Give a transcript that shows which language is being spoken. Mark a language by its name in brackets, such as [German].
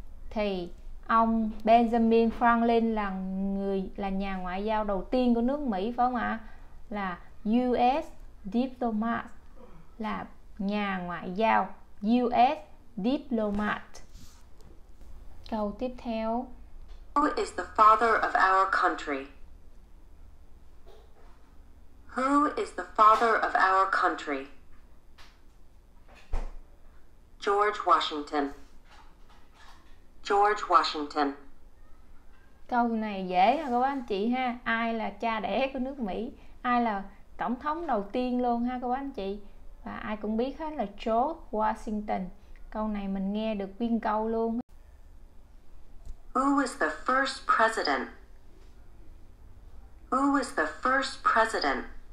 [Vietnamese] Thì ông Benjamin Franklin là người, là nhà ngoại giao đầu tiên của nước Mỹ, phải không ạ? Là US diplomat, là nhà ngoại giao, US diplomat. Câu tiếp theo. [English] Who is the father of our country? Who is the father of our country? George Washington. George Washington. [Vietnamese] Câu này dễ rồi các anh chị ha. Ai là cha đẻ của nước Mỹ? Ai là tổng thống đầu tiên luôn ha các anh chị? Và ai cũng biết hết là George Washington. Câu này mình nghe được nguyên câu luôn. [English] Who was the first president? Who was the first president?